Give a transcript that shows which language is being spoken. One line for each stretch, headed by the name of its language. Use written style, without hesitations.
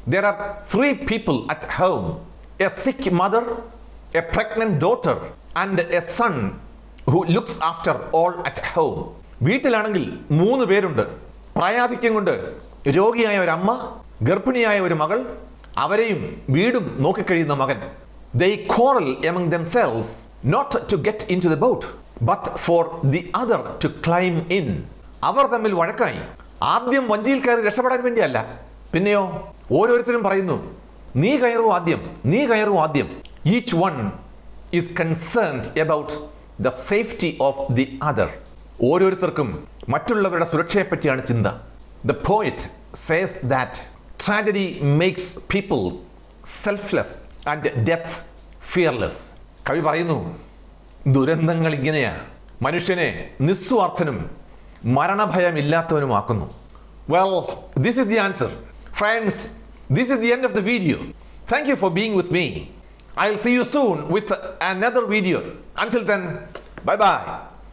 English: There are three people at home, a sick mother, a pregnant daughter and a son who looks after all at home.
Malayalam: വീട്ടിലാണെങ്കിൽ മൂന്ന് പേരുണ്ട്. പ്രായാധിക്യം കൊണ്ട് രോഗിയായ ഒരു അമ്മ, ഗർഭിണിയായ ഒരു മകൾ, അവരെയും വീടും നോക്കിക്കഴിയുന്ന മകൻ.
English: They quarrel among themselves not to get into the boat but for the other to climb in.
Malayalam: അവർ തമ്മിൽ വഴക്കായി. ആദ്യം വഞ്ചിയിൽ കയറി രക്ഷപ്പെടാൻ വേണ്ടിയല്ല, പിന്നെയോ ഓരോരുത്തരും പറയുന്നു, നീ കയറൂ ആദ്യം, നീ കയറൂ ആദ്യം.
English: Each one is concerned about the safety of the other.
Malayalam: ഓരോരുത്തർക്കും മറ്റുള്ളവരുടെ സുരക്ഷയെ പറ്റിയാണ് ചിന്ത.
English: The poet says that tragedy makes people selfless and death fearless.
Malayalam: കവി പറയുന്നു, ദുരന്തങ്ങൾ ഇങ്ങനെയാ മനുഷ്യനെ നിസ്വാർത്ഥനും മരണഭയമില്ലാത്തവനുമാക്കുന്നു.
English: Well, this is the answer. Friends, this is the end of the video. Thank you for being with me. I'll see you soon with another video. Until then, bye-bye.